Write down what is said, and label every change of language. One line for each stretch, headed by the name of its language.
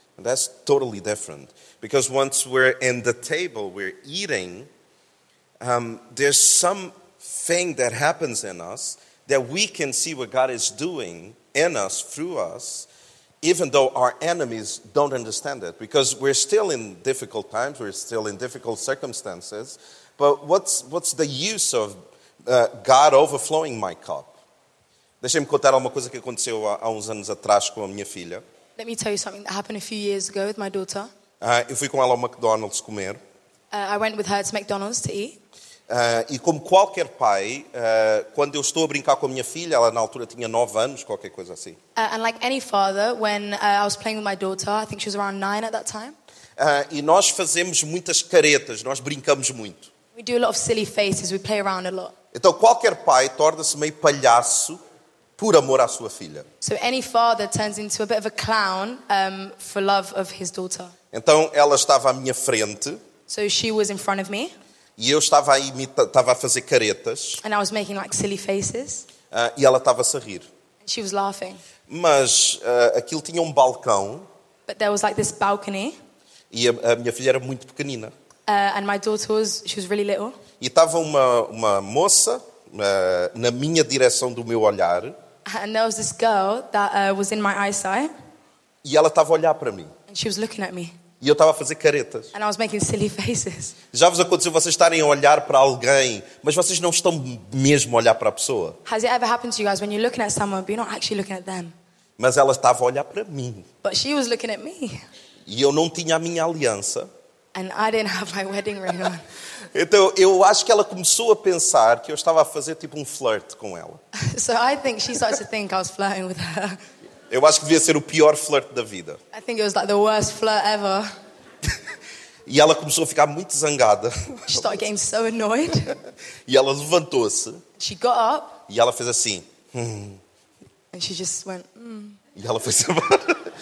English: And that's totally different. Because once we're in the table, we're eating, there's some thing that happens in us that we can see what God is doing in us, through us, even though our enemies don't understand it. Because we're still in difficult times, we're still in difficult circumstances. But what's the use of God overflowing my cup?
Portuguese: Deixa-me contar alguma coisa que aconteceu há uns anos atrás com a minha filha.
English: Let me tell you something that happened a few years ago with my daughter.
Portuguese: Eu fui com ela ao McDonald's comer.
English: I went with her to McDonald's to eat.
Portuguese: E como qualquer pai, quando eu estou a brincar com a minha filha, ela na altura tinha 9 anos, qualquer coisa assim.
English: And like any father, when I was playing with my daughter, I think she was around 9 at that time.
Portuguese: E nós fazemos muitas caretas, nós brincamos muito.
English: We do a lot of silly faces, we play around a lot.
Portuguese: Então qualquer pai torna-se meio palhaço por amor à sua filha.
English: So any father turns into a bit of a clown for love of his daughter.
Portuguese: Então ela estava à minha frente.
English: So she was in front of me.
Portuguese: E eu estava a imitar, estava a fazer caretas.
English: And I was making like silly faces.
Portuguese: E ela estava-se a rir.
English: And she was laughing.
Portuguese: Mas aquilo tinha um balcão.
English: But there was like this balcony.
Portuguese: E a minha filha era muito pequenina.
English: And my daughter was, she was really little.
Portuguese: E estava uma moça na minha direção do meu olhar.
English: And there was this girl that was in my eyesight.
Portuguese: E ela estava a olhar para mim.
English: And she was looking at me.
Portuguese: E eu estava a fazer caretas.
English: And I was making silly faces.
Portuguese: Já vos aconteceu vocês estarem a olhar para alguém, mas vocês não estão mesmo a olhar para a pessoa?
English: Has it ever happened to you guys when you're looking at someone but you're not actually looking at them?
Portuguese: Mas ela estava a olhar para mim.
English: But she was looking at me.
Portuguese: E eu não tinha a minha aliança.
English: And I didn't have my wedding ring on.
Portuguese: Então eu acho que ela começou a pensar que eu estava a fazer tipo um flirt com ela.
English: So I think she started to think I was flirting with her.
Portuguese: Eu acho que devia ser o pior flirt da vida.
English: I think it was like the worst flirt ever.
Portuguese: E ela começou a ficar muito zangada.
English: She started getting so annoyed.
Portuguese: E ela levantou-se.
English: She got up.
Portuguese: E ela fez assim.
English: And she just went.
Portuguese: E ela foi-se embora.